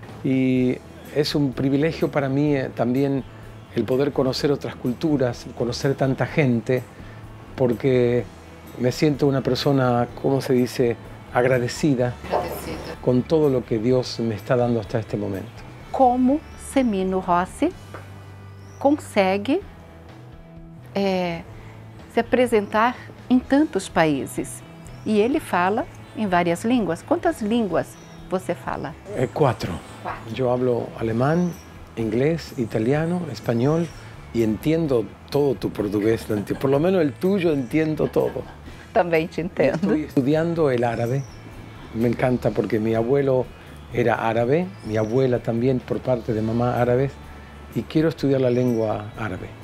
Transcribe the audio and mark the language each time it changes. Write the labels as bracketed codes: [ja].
[es] Y es un privilegio para mí también el poder conocer otras culturas, conocer tanta gente, porque me siento una persona, ¿cómo se dice?, agradecida con todo lo que Dios me está dando hasta este momento. [pt] ¿Cómo Semino Rossi consegue se apresentar en tantos países? [es] Y él habla en varias lenguas. ¿Cuántas lenguas [pt] você fala? [es] Cuatro. Yo hablo alemán, inglés, italiano, español y entiendo todo tu portugués. Por lo menos el tuyo entiendo todo. También te entiendo. Estoy estudiando el árabe. Me encanta porque mi abuelo era árabe, mi abuela también por parte de mamá árabe, y quiero estudiar la lengua árabe.